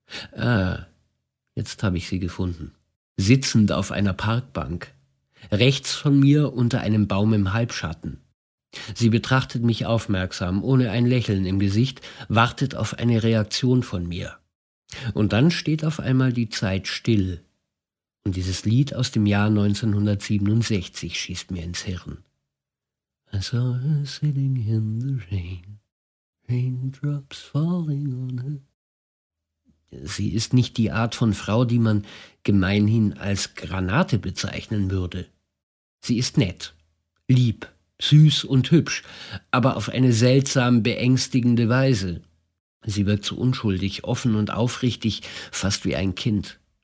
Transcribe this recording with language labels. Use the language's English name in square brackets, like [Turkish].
[German] Ah, jetzt habe ich sie gefunden. Sitzend auf einer Parkbank, rechts von mir unter einem Baum im Halbschatten. Sie betrachtet mich aufmerksam, ohne ein Lächeln im Gesicht, wartet auf eine Reaktion von mir. Und dann steht auf einmal die Zeit still. Und dieses Lied aus dem Jahr 1967 schießt mir ins Hirn. [English] I saw her sitting in the rain, raindrops falling on her. [German] Sie ist nicht die Art von Frau, die man gemeinhin als Granate bezeichnen würde. Sie ist nett, lieb, süß und hübsch, aber auf eine seltsam beängstigende Weise. Sie wirkt so unschuldig, offen und aufrichtig, fast wie ein Kind.